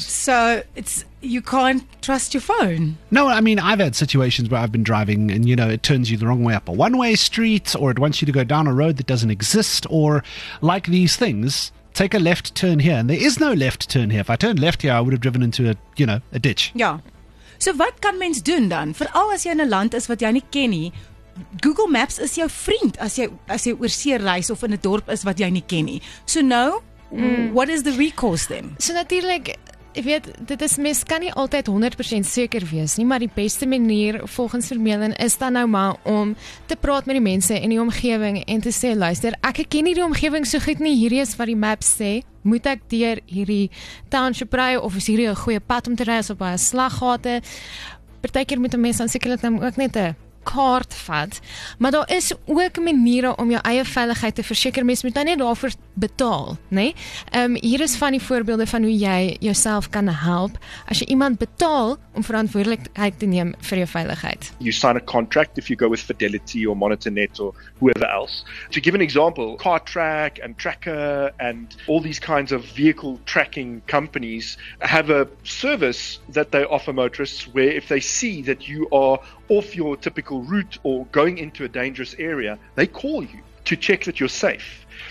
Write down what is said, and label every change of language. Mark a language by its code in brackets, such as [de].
[en] So it's, you can't trust your phone. No, I mean, I've had situations where I've been driving and, you know, it turns you the wrong way up a one-way street, or it wants you to go down a road that doesn't exist, or like these things, take a left turn here. And there is no left turn here. If I turned left here, I would have driven into a, you know, a ditch. Yeah. So what can [af] mens doen dan? Vooral as jy in 'n land is wat jy nie ken nie, Google Maps is jou vriend as jy oorsee reis of in 'n dorp is wat jy nie ken nie. [en] So nou, what is the recourse then? [af] So natuurlik, ek weet, dit is mens kan nie altyd 100% seker wees nie, maar die beste manier volgens Vermeulen is dan nou maar om te praat met die mense in die omgewing en te sê, luister, ek ken nie die omgewing so goed nie, hierdie is wat die maps sê. Moet ek deur hierdie township ry of is hierdie 'n goeie pad om te ry as op baie slaggate? Partykeer moet 'n mens dan sekerlik nou ook net 'n kaart vat, maar daar is ook maniere om jou eie veiligheid te verseker. Mens moet nou net daarvoor betaal, né? Hier is van die voorbeelde van hoe jy jouself kan help as jy iemand betaal om verantwoordelikheid te neem vir jou veiligheid. [en] You sign a contract if you go with Fidelity or Monitornet or whoever else. To give an example, CarTrack and Tracker and all these kinds of vehicle tracking companies have a service that they offer motorists where if they see that you are off your typical route or going into a dangerous area, they call you to check that you're safe.